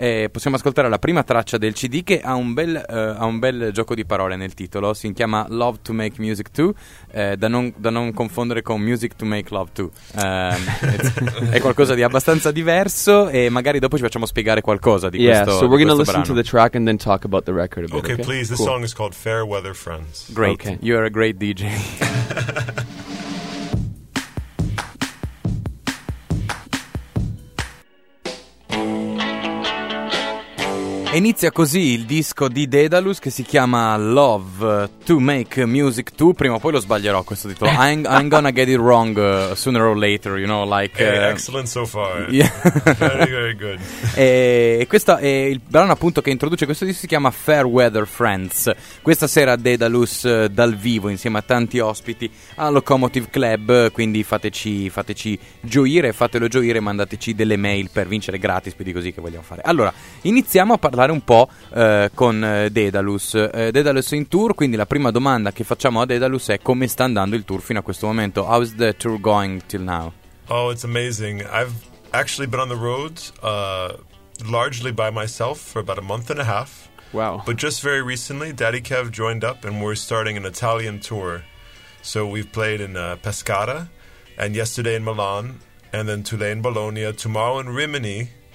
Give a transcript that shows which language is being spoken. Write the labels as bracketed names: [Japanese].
[Italian] Possiamo ascoltare la prima traccia del CD che ha un bel gioco di parole nel titolo. Si chiama Love to Make Music To, da non confondere con Music to Make Love To. è qualcosa di abbastanza diverso e magari dopo ci facciamo spiegare qualcosa di questo. [English] Yeah, so we're gonna listen to the track and then talk about the record a bit. Okay, please. This song is called Fair Weather Friends. Great. Okay. You are a great DJ. [Italian] Inizia così il disco di Dedalus che si chiama Love to Make Music To. Prima o poi lo sbaglierò questo titolo. [English] I'm gonna get it wrong sooner or later, you know, like... Excellent so far. Yeah. Very, very good. [Italian] E questo è il brano appunto che introduce questo disco, si chiama Fair Weather Friends. Questa sera Dedalus dal vivo insieme a tanti ospiti al Locomotive Club, quindi fateci gioire, fatelo gioire, mandateci delle mail per vincere gratis, quindi così che vogliamo fare. Allora, iniziamo a parlare un po' con Dedalus. Dedalus in tour, quindi la prima domanda che facciamo a Dedalus è come sta andando il tour fino a questo momento. [English] How is the tour going till now? Oh, it's amazing. I've actually been on the road largely by myself for about a month and a half. Wow. But just very recently Daddy Kev joined up and we're starting an Italian tour. So we've played in Pescara and yesterday in Milan and then today in Bologna, tomorrow in Rimini.